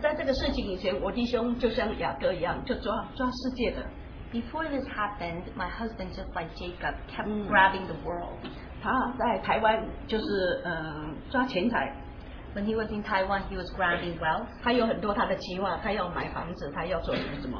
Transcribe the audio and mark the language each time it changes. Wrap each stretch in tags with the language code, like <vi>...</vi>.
<zh>在这个事情以前，我弟兄就像雅各一样，就抓世界的。</zh> <en>Before this happened, my husband, just like Jacob, kept grabbing the world.</en> <zh>他在台湾就是抓钱财。</zh> <en>When he was in Taiwan, he was grabbing wealth.</en> <zh>他有很多他的计划，他要买房子，他要做什么什么。</zh>